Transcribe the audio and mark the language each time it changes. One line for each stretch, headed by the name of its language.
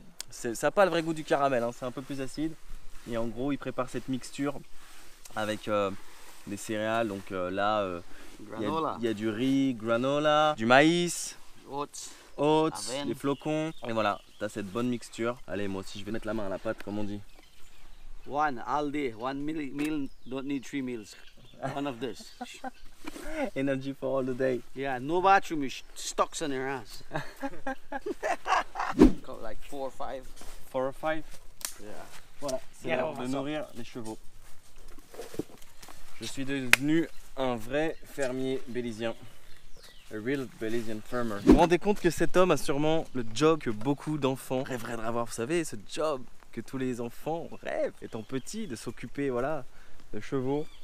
French: Ça n'a pas le vrai goût du caramel, hein. C'est un peu plus acide. Et en gros, ils préparent cette mixture avec des céréales. Donc là, il y a du riz, granola, du maïs,
English: oats,
French: des flocons. Et voilà, tu as cette bonne mixture. Allez, moi aussi, je vais mettre la main à la pâte, comme on dit.
English: One all day, one meal, don't need three meals. One of this. Energy for all the day. Yeah, no bathroom, stocks on your ass. Got like four or five. Four or five? Yeah.
French: Voilà, c'est l'heure de nourrir les chevaux. Je suis devenu un vrai fermier belizien.
English: A real Belizean farmer.
French: Vous vous rendez compte que cet homme a sûrement le job que beaucoup d'enfants rêveraient d'avoir, vous savez, ce job que tous les enfants rêvent, étant petits, de s'occuper, voilà, de chevaux.